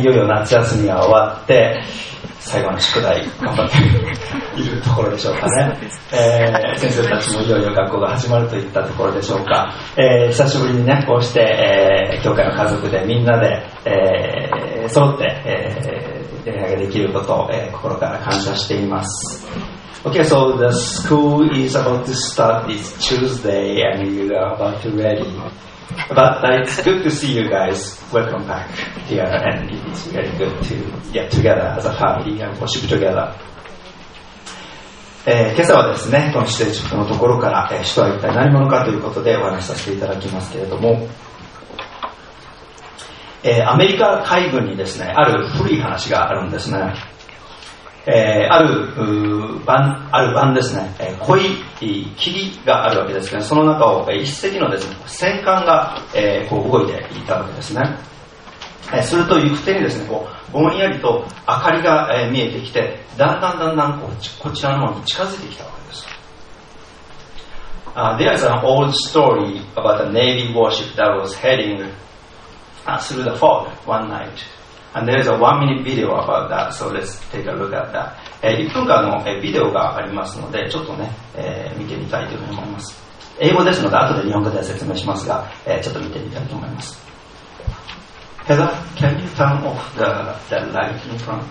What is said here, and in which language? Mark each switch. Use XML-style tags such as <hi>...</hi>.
<ja>いよいよ夏休みが終わって最後の宿題頑張っているところでしょうかね。先生たちもいよいよ学校が始まるといったところでしょうか。久しぶりにねこうして、教会の家族でみんなで、揃って、礼拝ができることを、心から感謝しています。</ja> <en>Okay, so the school is about to start this Tuesday and you are about to ready. But it's good to see you guys. Welcome back here. And it's very good to get together as a family and worship together.</en> <ja>今朝はですね、この使徒エジプトのところから、使徒は一体何者かということでお話しさせていただきますけれども、アメリカ海軍にですね、ある古い話があるんですね。ある晩ですね、濃い霧があるわけですけど、その中を一隻のですね、戦艦が、こう動いていたわけですね。すると行く手にですね、こうぼんやりと明かりが、見えてきて、だんだんだんだんこちらの方に近づいてきたわけです。</ja> <en>There is an old story about a Navy warship that was heading through the fog one night. And there's a one-minute video about that, so let's take a look at that.</en> <ja>1分間のビデオがありますので、ちょっとね、見てみたいと思います。英語ですので、後で日本語で説明しますが、ちょっと見てみたいと思います。</ja> <en>Heather, can you turn off the light in front?</en>